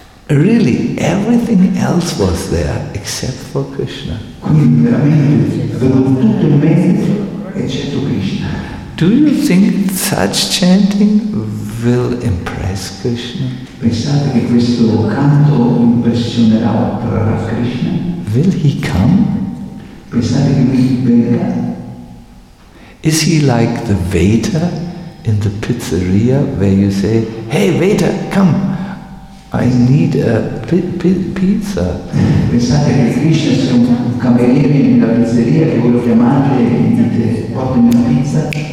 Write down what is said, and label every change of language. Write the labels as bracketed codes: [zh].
[en] Really, everything else was there except for Krishna. Do you think such chanting will impress Krishna? [it] Pensate che questo canto impressionerà o attrarrà Krishna? [en] Will he come? [it] Pensate che lui venga? [en] Is he like the waiter in the pizzeria where you say, "Hey waiter, come, I need a pizza." [it] Pensate che Krishna sia un cameriere nella pizzeria che voi lo chiamate e dite, "Portami una pizza."